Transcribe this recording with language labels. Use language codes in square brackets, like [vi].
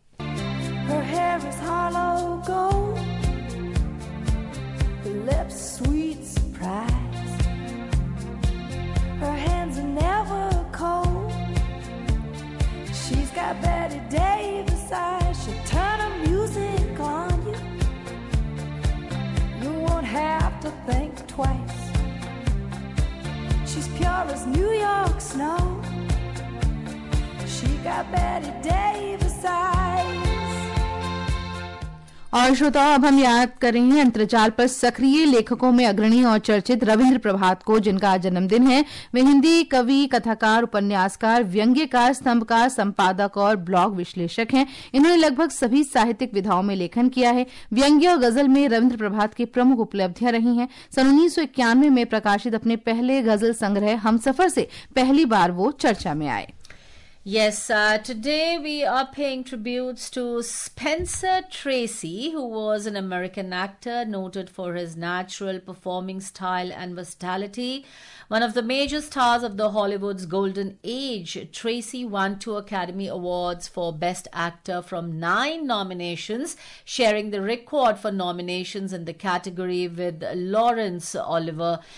[en] Her hair is hollow gold, her lips sweet surprise, her hands are never cold, she's got Betty Davis eyes, she'll turn her music on. You won't have to think twice. She's pure as New York snow. She got Betty Davis eyes. [hi] और श्रोताओं, अब हम याद कर रहे हैं अंतरजाल पर सक्रिय लेखकों में अग्रणी और चर्चित रविंद्र प्रभात को, जिनका आज जन्मदिन है. वे हिंदी कवि, कथाकार, उपन्यासकार, व्यंग्यकार, स्तंभकार, संपादक और ब्लॉग विश्लेषक हैं. इन्होंने लगभग सभी साहित्यिक विधाओं में लेखन किया है. व्यंग्य और गजल में रविन्द्र प्रभात की प्रमुख उपलब्धियां रही हैं. सन 1991 में प्रकाशित अपने पहले गजल संग्रह हमसफर से पहली बार वो चर्चा में आए. [en] Yes, today we are paying tributes to Spencer Tracy, who was an American actor noted for his natural performing style and versatility. One of the major stars of the Hollywood's golden age, Tracy won two Academy Awards for Best Actor from 9 nominations, sharing the record for nominations in the category with Laurence Olivier.